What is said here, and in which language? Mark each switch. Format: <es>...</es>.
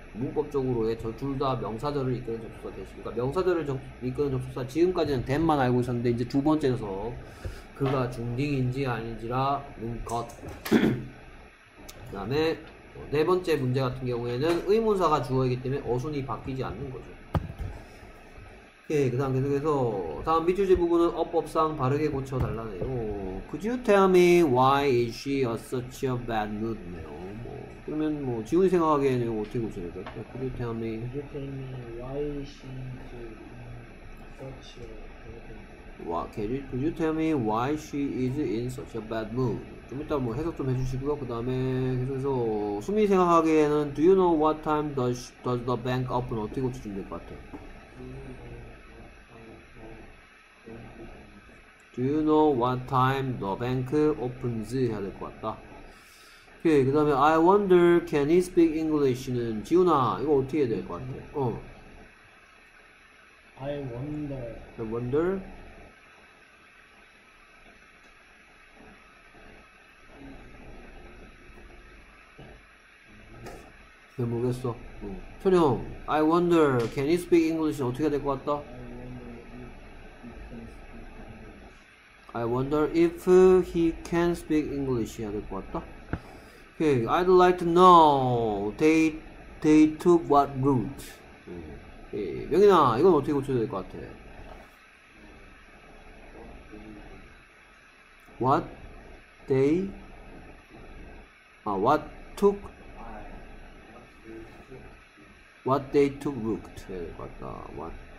<ko>문법적으로의 저 둘 다 명사들을 이끄는 접속사 되십니까? 명사들을 이끄는 접속사 지금까지는 that만 알고 있었는데 이제 두 번째 녀석 그가 중딩인지 아닌지라는 것. 그 다음에 네 번째 문제 같은 경우에는 의문사가 주어이기 때문에 어순이 바뀌지 않는 거죠. 예, 그 다음 계속해서 다음 밑줄 지 부분은 어법상 바르게 고쳐달라네요.</ko> <en>Could you tell me why is she a such a bad mood?</en> <ko>뭐, 그러면 뭐 지훈이 생각하기에는 어떻게 고쳐야 될까?</ko> <en>Could you tell me why is she in such a bad mood? Could you tell me why she is in such a bad mood?</en> <ko>좀 이따 뭐 해석 좀 해주시고요. 그 다음에 계속해서 수민이 생각하기에는</ko> <en>Do you know what time does the bank open?</en> <ko>어떻게 고쳐주면 될 것 같아요?</ko> <en>Do you know what time the bank opens?</en> <ko>해야 될 것 같다. 오케이, 그 다음에</ko> <en>I wonder can he speak English</en> <ko>는 지훈아 이거 어떻게 해야 될 것 같아? 어.</ko> <en>I wonder. I wonder. I wonder.</en> <ko>모르겠어. 철형,</ko> <en>I wonder can he speak English</en> <ko>는 어떻게 해야 될 것 같다?</ko> <en>I wonder if he can speak English</en> <ko>해야 될 것 같다.</ko> <en>Okay, I'd like to know they took what route. Okay.</en> <ko>명인아, 이건 어떻게 고쳐야 될 것 같아?</ko> <en>What they?</en> <ko>아,</ko> <en>what took? What they took route</en> <ko>해야 될 것 같다.</ko>